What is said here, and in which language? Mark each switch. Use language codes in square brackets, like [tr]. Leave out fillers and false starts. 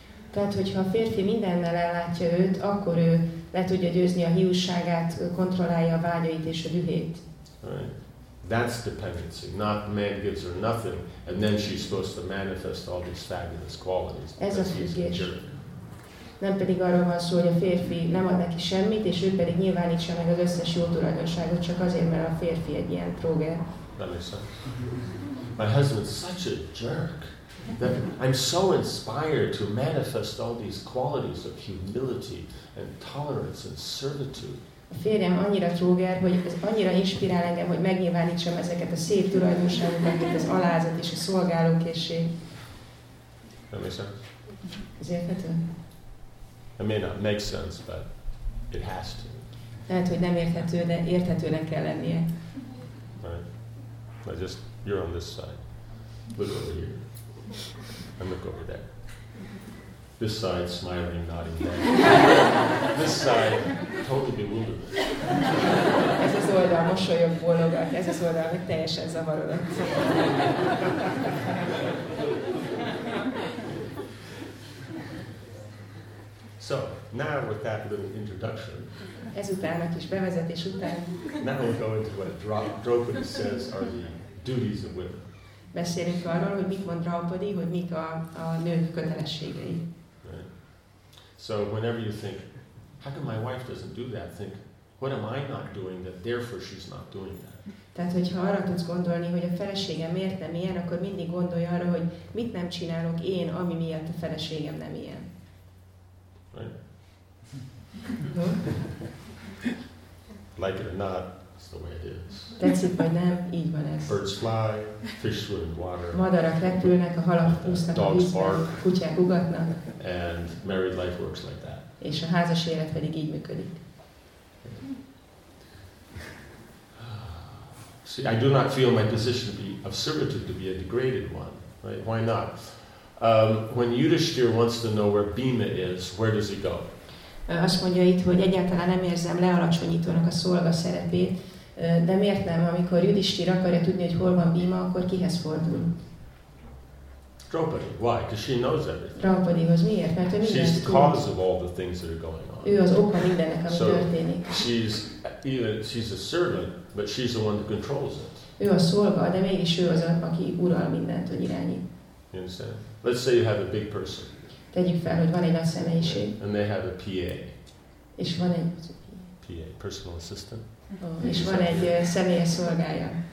[hu] Tehát, hogyha a férfi mindennel ellátja őt, akkor ő le tudja győzni a hiúságát, kontrollálja a vágyait és a dühét. [en] Right. That's dependency. Not man gives her nothing, and then she's supposed to manifest all these fabulous qualities. [hu] Ez a függés. Nem pedig arról van szó, hogy a férfi nem ad neki semmit, és ő pedig nyilvánítsa meg az összes jó tulajdonságot, csak azért, mert a férfi egy ilyen tróger. [en] That makes sense. My husband's such a jerk that I'm so inspired to manifest all these qualities of humility and tolerance and servitude. [hu] A férjem annyira tróger, hogy ez annyira inspirál engem, hogy megnyilvánítsam ezeket a szép tulajdonságokat, mint az alázat és a szolgálókészség. [en] That makes sense. [hu] Ez érthető? [en] It may not make sense, but it has to. [hu] Lehet, hogy nem érthető, de érthetőnek kell lennie. [en] Right. I just, you're on this side. Look over here. And look over there. This side, smiling, nodding down. This side, totally bewildered. [hu] Ez az oldal, mosolyog, bólogat. Ez az oldal, hogy teljesen zavarodott. [en] So, now with that little introduction, [hu] ezután a kis bevezetés után, [en] now we'll go into what Draupadi says are the duties of women. [hu] Beszélünk arról, hogy mit mond Draupadi, hogy mik a nők kötelességei. [en] Right. So, whenever you think, how come my wife doesn't do that, think, what am I not doing that therefore she's not doing that? [hu] Tehát, hogyha arra tudsz gondolni, hogy a feleségem miért nem ilyen, akkor mindig gondolj arra, hogy mit nem csinálok én, ami miatt a feleségem nem ilyen. [en] Right? Like it or not, it's the way it is. [hu] Tetszik vagy nem, így van ez. [en] Birds fly, fish swim in water. [hu] Madarak repülnek, a halak úsznak a vízben, kutyák ugatnak. [en] And married life works like that. [hu] És a házas élet pedig így működik. [en] See, I do not feel my position to be of servitude to be a degraded one. Right? Why not? When Yudhishthir wants to know where Bhima is, where does he go? [hu] Azt mondja itt, hogy egyáltalán nem érzem lealacsonyítónak a szolga szerepét, de miért nem, amikor Yudhishthir akarja tudni, hogy hol van Bhima, akkor kihez fordul? [en] Draupadi. Why? Because she knows everything. [hu] Draupadihoz. Miért? Mert ő mindent tud. [en] She's the cause of all the things that are going on. [hu] Ő az oka mindennek, ami [en] so [hu] történik. [en] She's a servant, but she's the one who controls it. [hu] Ő a szolga, de mégis ő az, aki ural mindent, hogy irányít. [en] You understand? Let's say you have a big person. [hu] Tegyük fel, hogy van egy nagy személyiség. [en] And they have a PA. [hu] És van egy [en] PA, personal assistant. [hu] Oh, és van egy személyes szolgája.